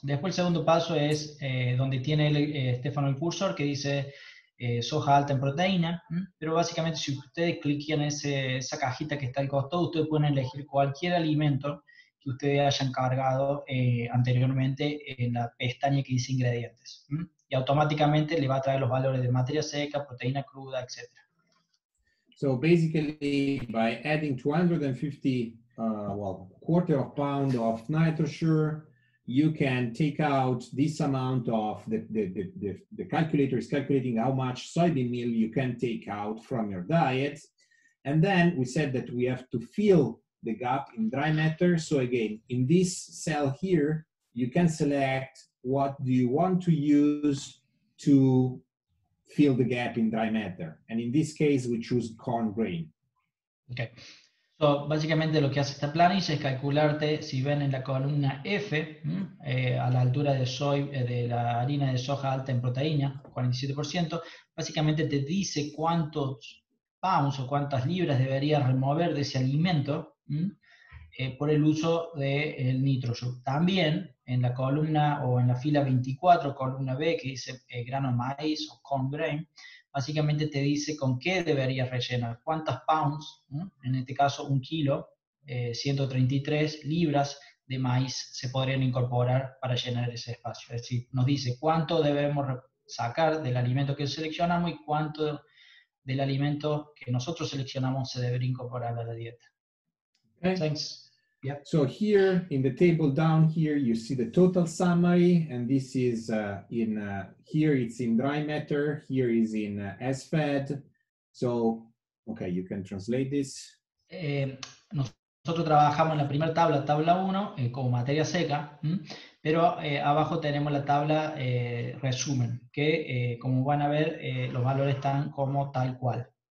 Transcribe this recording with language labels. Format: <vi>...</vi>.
<es>Después el segundo paso es donde tiene Estefano el cursor que dice soja alta en proteína, pero básicamente si ustedes cliquean esa cajita que está al costado, ustedes pueden elegir cualquier alimento que ustedes hayan cargado anteriormente en la pestaña que dice ingredientes. Y automáticamente le va a traer los valores de materia seca, proteína cruda, etc.</es> <en>So basically by adding 250 quarter of pound of NitroSure, you can take out this amount of the calculator is calculating how much soybean meal you can take out from your diet. And then we said that we have to fill the gap in dry matter. So again, in this cell here, you can select what do you want to use to fill the gap in dry matter. And in this case, we choose corn grain. Okay.</en> <es>So, básicamente lo que hace esta planilla es calcularte, si ven en la columna F, a la altura de la harina de soja alta en proteína, 47%, básicamente te dice cuántos pounds o cuántas libras deberías remover de ese alimento por el uso del NitroSure. También en la columna o en la fila 24, columna B, que dice grano de maíz o corn grain, básicamente te dice con qué deberías rellenar, cuántas pounds, en este caso un kilo, 133 libras de maíz se podrían incorporar para llenar ese espacio. Es decir, nos dice cuánto debemos sacar del alimento que seleccionamos y cuánto del alimento que nosotros seleccionamos se debería incorporar a la dieta.</es> <en>Okay. Thanks. Yep. So here in the table down here, you see the total summary, and this is here it's in dry matter, here is in SFED. So, okay, you can translate this.</en> <es>Nosotros trabajamos en la primera tabla, tabla 1, como materia seca, pero abajo tenemos la tabla resumen, que como van a ver, los valores están como tal cual.</es>